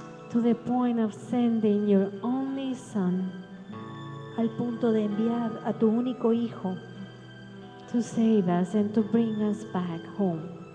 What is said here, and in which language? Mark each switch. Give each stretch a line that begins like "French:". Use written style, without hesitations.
English: To the point of sending your only son.
Spanish: Al punto de enviar a tu único hijo.
English: To save us and to bring us back home.